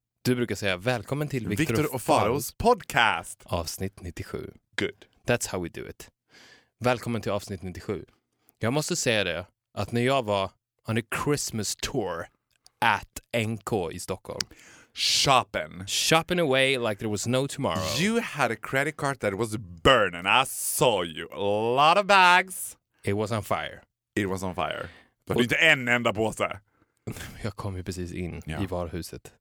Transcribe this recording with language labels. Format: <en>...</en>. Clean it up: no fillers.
<sv>Du brukar säga välkommen till Victor och Faros podcast. Avsnitt 97.</sv> <en>Good. That's how we do it.</en> <sv>Välkommen till avsnitt 97. Jag måste säga det att när jag var</sv> <en>on a Christmas tour at NK</en> <sv>i Stockholm.</sv> <en>Shopping away like there was no tomorrow. You had a credit card that was burning. I saw you. A lot of bags. It was on fire.</en> <sv>Det var inte en enda påse. Jag kom ju precis in i varuhuset.</sv>